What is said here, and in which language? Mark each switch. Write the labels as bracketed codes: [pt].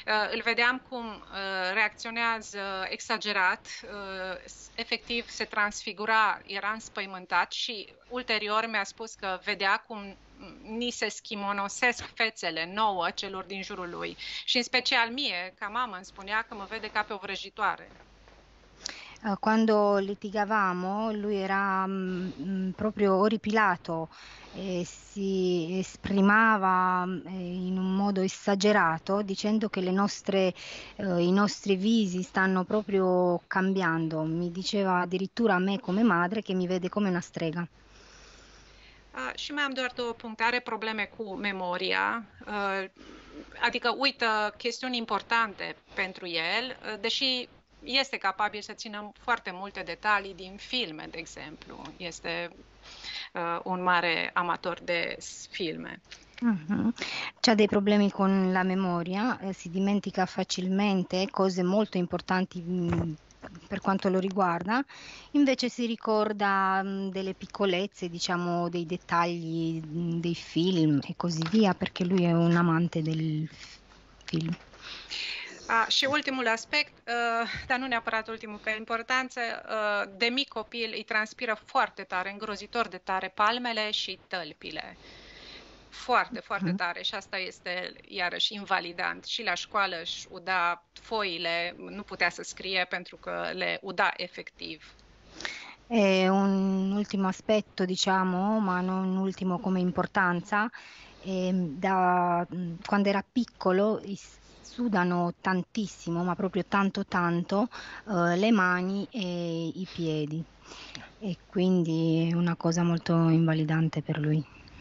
[ro] Îl vedeam cum reacționează exagerat, efectiv se transfigura, era înspăimântat și ulterior mi-a spus că vedea cum ni se schimonosesc fețele nouă celor din jurul lui. Și în special mie, ca mamă, îmi spunea că mă vede ca pe o vrăjitoare. [it] Quando litigavamo, lui era proprio orripilato e si esprimeva in un modo esagerato, dicendo che i nostri visi stanno proprio cambiando. Mi diceva addirittura a me come madre che mi vede come una strega. [ro] Și mai am doar două punctare, probleme cu memoria, adică uită chestiuni importante pentru el, deși este capabil să țină foarte multe detalii din filme, de exemplu. Este un mare amator de filme. [it] C'ha dei problemi con la memoria, si dimentica facilmente cose molto importanti per quanto lo riguarda, invece si ricorda delle piccolezze, diciamo, dei dettagli dei film e così via, perché lui è un amante del film. [ro] Ah, și ultimul aspect, dar nu neapărat ultimul, că e importanță, de mic copil îi transpiră foarte tare, îngrozitor de tare palmele și tălpile. Foarte, foarte tare și asta este iarăși invalidant. Și la școală își uda foile, nu putea să scrie pentru că le uda efectiv. [it] E un ultimo aspetto, diciamo, ma non ultimo come importanza, da quando era piccolo sudano tantissimo, ma proprio tanto tanto, le mani e i piedi, e quindi è una cosa molto invalidante per lui.